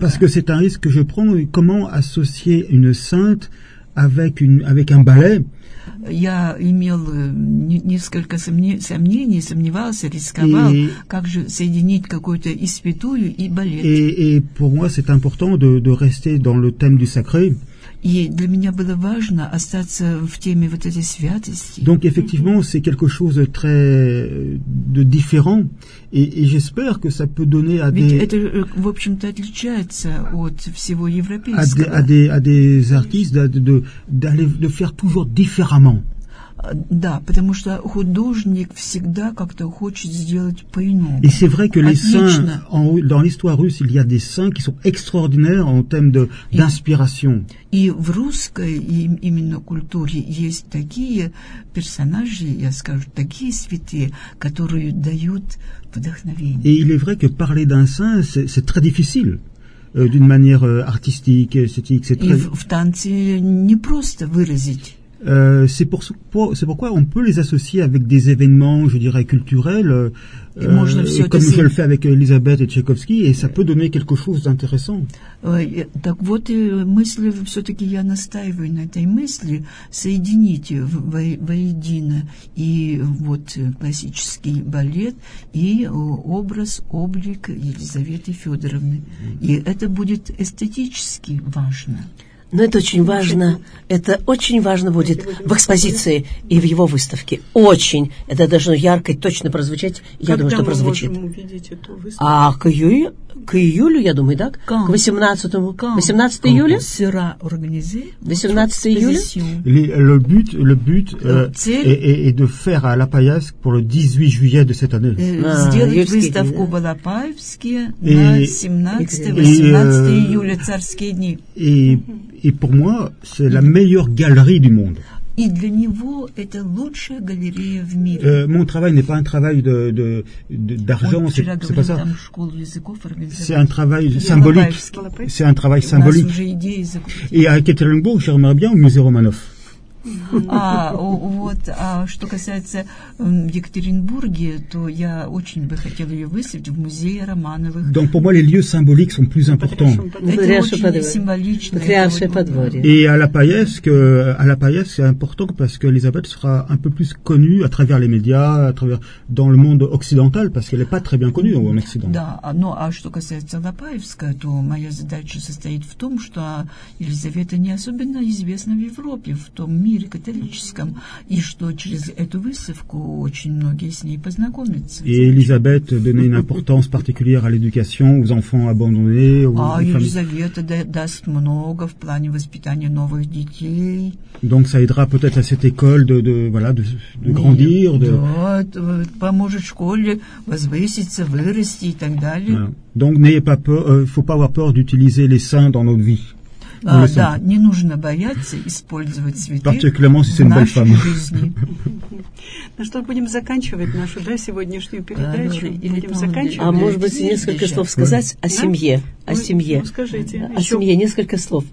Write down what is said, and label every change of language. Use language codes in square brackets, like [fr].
[fr] parce que c'est un risque que je prends. Comment associer une sainte avec un ballet? [ru] Я имел несколько сомнений, сомневался, рисковал, как же соединить какую-то и святую, и балет. [fr] Et pour moi, c'est important de rester dans le thème du sacré. [ru] И для меня было важно остаться в теме вот этой святости. [fr] Donc effectivement, c'est quelque chose de très de différent. Et j'espère que ça peut donner à [ru] ведь [fr] des... [ru] Ведь это, в общем-то, отличается от всего европейского. [fr] À des artistes de faire toujours différemment. [ru] Да, потому что художник всегда как-то хочет сделать по-иному. [fr] Et c'est vrai que les saints, dans l'histoire russe, il y a des saints qui sont extraordinaires en termes d'inspiration. [ru] И в русской именно культуре есть такие персонажи, я скажу, такие святые, которые дают вдохновение. [fr] Et il est vrai que parler d'un saint, c'est très difficile. D'une manière artistique, esthétique, c'est très... [ru] И в танце не просто выразить. [fr] C'est pourquoi on peut les associer avec des événements, je dirais, culturels, comme je le fais avec Elisabeth et Tchaïkovski, et ça peut donner quelque chose d'intéressant. [ru] Так вот, мысль, все-таки я настаиваю на этой мысли, соединить воедино и вот классический балет, и образ, облик Елизаветы Федоровны. И это будет эстетически важно. Но это очень важно. Это очень важно будет в экспозиции и в его выставке. Очень. Это должно ярко и точно прозвучать. Я думаю, что прозвучит. Когда мы можем увидеть эту выставку? А к июлю, я думаю, да? К 18-му. 18 июля? [fr] Сера организе. [ru] 18 июля? [fr] Le but est de faire à La Paillasse pour le 18 juillet de cette année. [ru] Сделать выставку в La Paillasse на 17-18 июля, царские дни. [fr] Et pour moi, c'est la meilleure galerie du monde. [ru] И для него это лучшая галерея в мире. [fr] Mon travail n'est pas un travail d'argent, c'est pas ça. C'est un travail symbolique. C'est un travail symbolique. Et à Екатеринбург, j'aimerais bien au Musée Romanov. [ru] А что касается Екатеринбурга, то я очень бы хотел ее выставить в музее Романовых. [fr] Donc pour moi les lieux symboliques sont plus importants. [ru] Патриаршее подворье. [fr] Et à la Paillasse, c'est important parce que Elisabeth sera un peu plus connue à travers les médias, à travers dans le monde occidental, parce qu'elle n'est pas très bien connue en Occident. [ru] Да, но а что касается Лапаевска, то моя задача состоит в том, что Елизавета не особенно известна в Европе, в том мире католическом, и что через эту выставку очень многие с ней познакомятся. [fr] И Елизавета donnait une importance particulière à l'éducation, aux enfants abandonnés. [ru] А Елизавета даст много в плане воспитания новых детей. [fr] Donc ça aidera peut-être à cette école de grandir. [ru] Поможет школе возвыситься, вырасти и так далее. [fr] Donc n'ayez pas peur, faut pas avoir peur d'utiliser les saints dans notre vie. [ru] Да, не нужно бояться использовать святых в нашей жизни. Ну что, будем заканчивать нашу сегодняшнюю передачу? Или будем заканчивать? А может быть, несколько слов сказать о семье? О семье. Скажите. О семье несколько слов.